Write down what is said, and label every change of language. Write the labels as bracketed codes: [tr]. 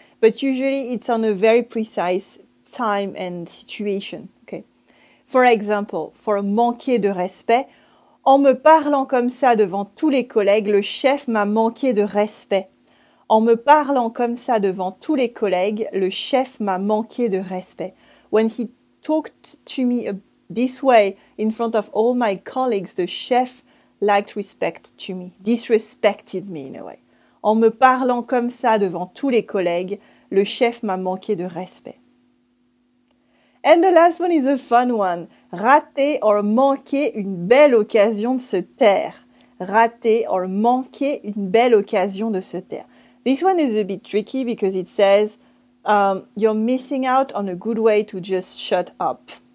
[en] But usually it's on a very precise time and situation. Okay. For example, for [fr] manquer de respect, en me parlant comme ça devant tous les collègues, le chef m'a manqué de respect. En me parlant comme ça devant tous les collègues, le chef m'a manqué de respect. [en] When he talked to me this way in front of all my colleagues, the chef lacked respect to me, disrespected me in a way. [fr] En me parlant comme ça devant tous les collègues, le chef m'a manqué de respect. [en] And the last one is a fun one. [fr] Rater or manquer une belle occasion de se taire. Rater or manquer une belle occasion de se taire. [en] This one is a bit tricky because it says you're missing out on a good way to just shut up.